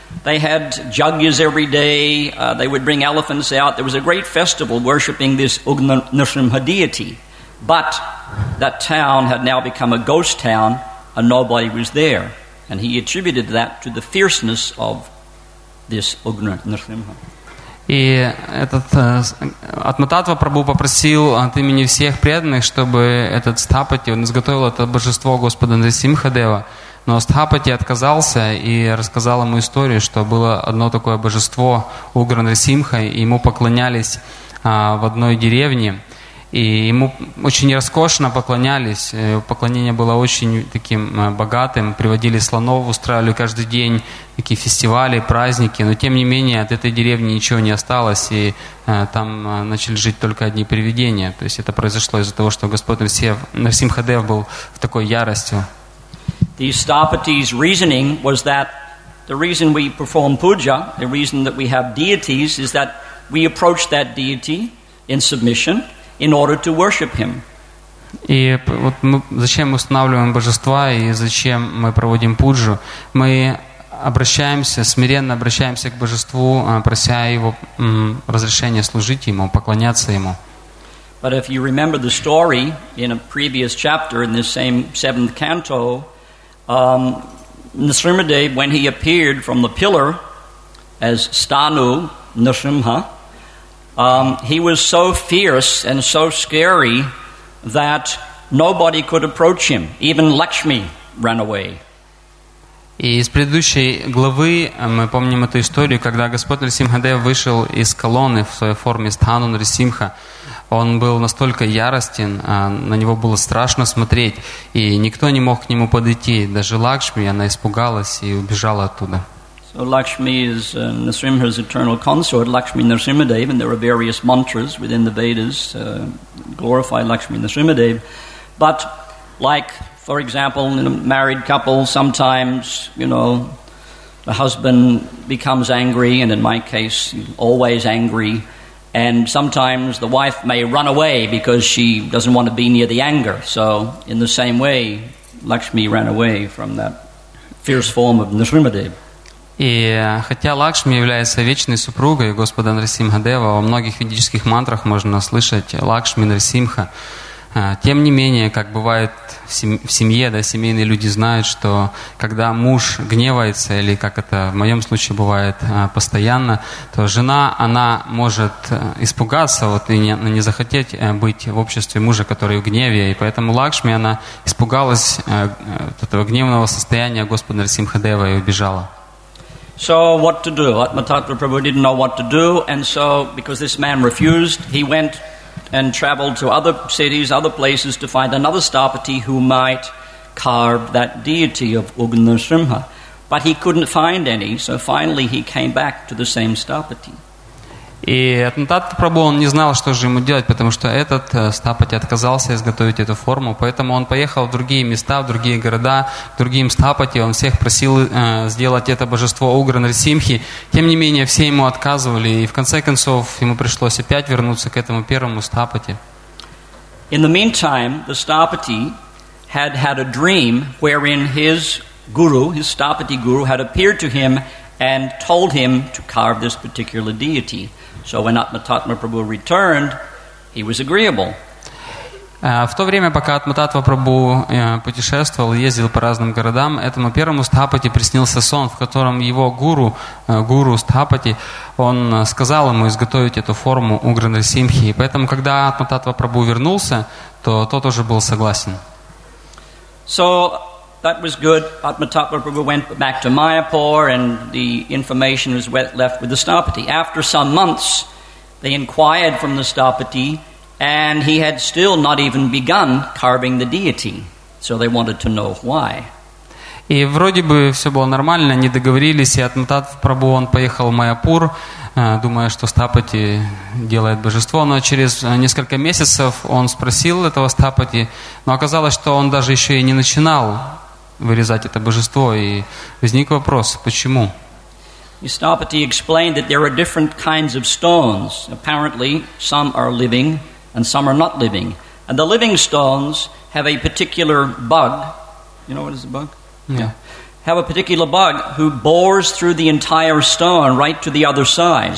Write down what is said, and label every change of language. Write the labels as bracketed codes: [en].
[en] They had jagyas every day, they would bring elephants out. There was a great festival worshipping this Ugra Nrsimha deity. But that town had now become a ghost town and nobody was there. And he attributed that to the fierceness of this Ugra Nrsimha. [ru] И этот Атмататва Прабху попросил от имени всех преданных, чтобы этот стапати, он изготовил это божество Господа Нрсимхадева. Но стхапати отказался и рассказал ему историю, что было одно такое божество Угра Нрсимха, и ему поклонялись в одной деревне, и ему очень роскошно поклонялись, поклонение было очень таким богатым, приводили слонов, устраивали каждый день такие фестивали, праздники, но тем не менее от этой деревни ничего не осталось, и там начали жить только одни привидения. То есть это произошло из-за того, что Господь Нрсимхадев был в такой ярости. [en] The stapati's reasoning was that the reason we perform puja, the reason that we have deities, is that we approach that deity in submission in order to worship him. [ru] И вот мы, зачем мы устанавливаем божества и зачем мы проводим пуджу? Мы обращаемся, смиренно обращаемся к божеству, прося его разрешения служить ему, поклоняться ему. [en] But if you remember the story in a previous chapter in this same seventh canto, Nrsimhadev, when he appeared from the pillar as Stanu Nrsimha, He was so fierce and so scary that nobody could approach him. Even Lakshmi ran away. [ru] И из предыдущей главы мы помним эту историю, когда Господь Нарсимхадев вышел из колонны в своей форме Стхану Нарсимха. Он был настолько яростен, на него было страшно смотреть, и никто не мог к нему подойти. Даже Лакшми, она испугалась и убежала оттуда. [en] So Lakshmi is Nrsimha's eternal consort. Lakshmi Nrsimhadev, and there are various mantras within the Vedas glorify Lakshmi Nrsimhadev. But like, for example, in a married couple, sometimes, you know, the husband becomes angry, and in my case, always angry, and sometimes the wife may run away because she doesn't want to be near the anger. So in the same way, Lakshmi ran away from that fierce form of Nrsimhadev. [ru] И хотя Лакшми является вечной супругой Господа Нарсимхадева, во многих ведических мантрах можно слышать Лакшми Нарсимха, тем не менее, как бывает в семье, да, семейные люди знают, что когда муж гневается, или как это в моем случае бывает постоянно, то жена, она может испугаться вот, и не захотеть быть в обществе мужа, который в гневе. И поэтому Лакшми, она испугалась этого гневного состояния Господа Нарсимхадева и убежала. [en] So what to do? Atmatattva Prabhu didn't know what to do, and so because this man refused, he went and traveled to other cities, other places to find another sthapati who might carve that deity of Ugnasimha. But he couldn't find any, so finally he came back to the same sthapati. [ru] И Атмататта Прабху, он не знал, что же ему делать, потому что этот стхапати отказался изготовить эту форму, поэтому он поехал в другие места, в другие города, к другим стхапати, он всех просил сделать это божество Угра Нарсимхи. Тем не менее, все ему отказывали, и в конце концов, ему пришлось опять вернуться к этому первому стхапати. [en] In the meantime, the stapati had had a dream wherein his guru, his stapati guru, had appeared to him and told him to carve this particular deity. So when Atmatattva Prabhu returned, he was agreeable. [ru] В то время, пока Атмататва Прабху путешествовал, ездил по разным городам, этому первому стхапати приснился сон, в котором его гуру, гуру стхапати, он сказал ему изготовить эту форму Угра Нарсимхи. Поэтому, когда Атмататва Прабху вернулся, то тот уже был согласен. [en] So that was good. Atmatattva Prabhu went back to Mayapur, and the information was left with the stapati. After some months, they inquired from the stapati, and he had still not even begun carving the deity. So they wanted to know why. [ru] И вроде бы все было нормально, они договорились, и Атмататва Прабху, он поехал в Майяпур, думая, что стапати делает божество, но через несколько месяцев он спросил этого стапати, но оказалось, что он даже еще и не начинал вырезать это божество, и возник вопрос, почему? [en] Stapati explained that there are different kinds of stones. Apparently, some are living, and some are not living. And the living stones have a particular bug. You know what is the bug? Yeah. Have a particular bug who bores through the entire stone right to the other side.